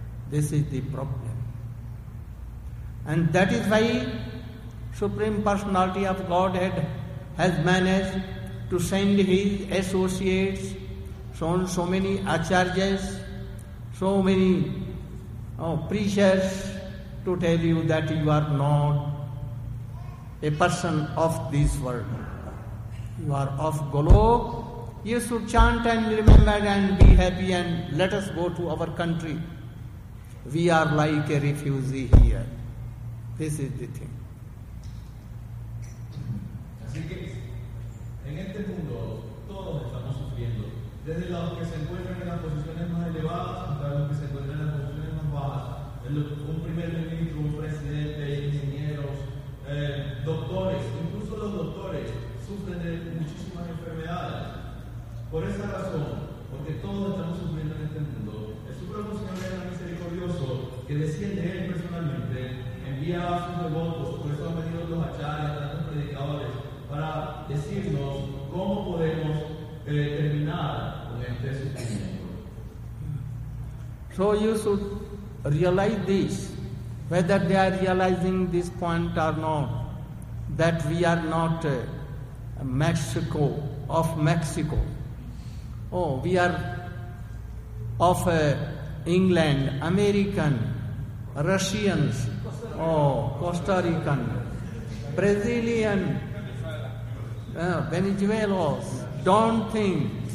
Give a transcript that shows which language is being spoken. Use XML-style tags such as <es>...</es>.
<en>This is the problem. And that is why Supreme Personality of Godhead has managed to send his associates, so many acharyas, so many preachers to tell you that you are not a person of this world. You are of Golok. You should chant and remember and be happy and let us go to our country. We are like a refugee here. This is the thing.</en> <es>Así que en este mundo todos estamos sufriendo, desde los que se encuentran en las posiciones más elevadas hasta los que se encuentran en las posiciones más bajas, un primer ministro, un presidente, ingenieros, doctores, incluso los doctores sufren de muchísimas enfermedades. Por esa razón, porque todos estamos sufriendo en este mundo, el Supremo Señor es misericordioso que desciende Él personalmente, envía a sus devotos, por eso han venido los acharyas, tantos predicadores, para decirnos cómo podemos terminar con este sufrimiento.</es> <en>So you should realize this, whether they are realizing this point or not, that we are not Mexico, of Mexico. Oh, we are of England, American, Russians, Costa Rican, Brazilian, Venezuelans, don't think.</en>